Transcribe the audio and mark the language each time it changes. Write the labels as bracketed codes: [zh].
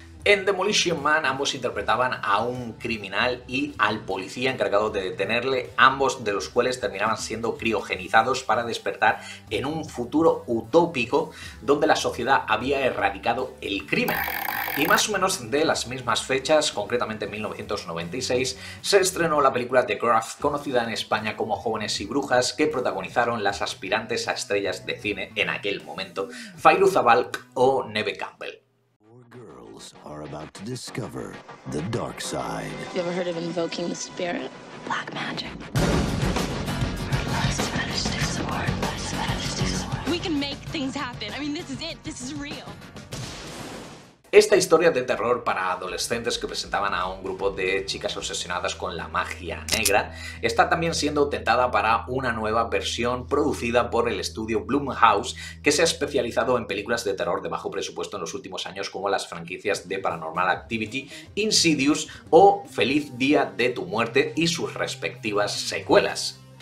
[es] En Demolition Man, ambos interpretaban a un criminal y al policía encargado de detenerle, ambos de los cuales terminaban siendo criogenizados para despertar en un futuro utópico donde la sociedad había erradicado el crimen. Y más o menos de las mismas fechas, concretamente en 1996, se estrenó la película The Craft, conocida en España como Jóvenes y Brujas, que protagonizaron las aspirantes a estrellas de cine en aquel momento, Fairuza Balk o Neve Campbell. [en] Are about to discover the dark side. You ever heard of invoking the spirit? Black magic. We can make things happen. I mean, this is it. This is real. [es] Esta historia de terror para adolescentes que presentaban a un grupo de chicas obsesionadas con la magia negra está también siendo tentada para una nueva versión producida por el estudio Blumhouse, que se ha especializado en películas de terror de bajo presupuesto en los últimos años, como las franquicias de Paranormal Activity, Insidious o Feliz Día de tu Muerte y sus respectivas secuelas.